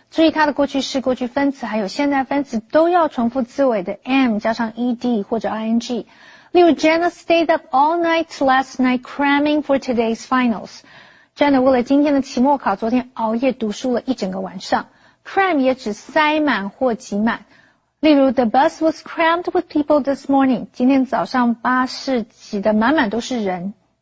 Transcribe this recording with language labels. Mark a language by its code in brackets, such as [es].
[zh] 注意它的过去式、过去分词还有现在分词都要重复字尾的 m 加上 ed 或者 ing。例如 [en] Jenna stayed up all night last night cramming for today's finals. [zh] Jenna 为了今天的期末考，昨天熬夜读书了一整个晚上。 Cram 也指塞满或挤满。例如 [en] ,The bus was crammed with people this morning. [zh] 今天早上巴士挤得满满都是人。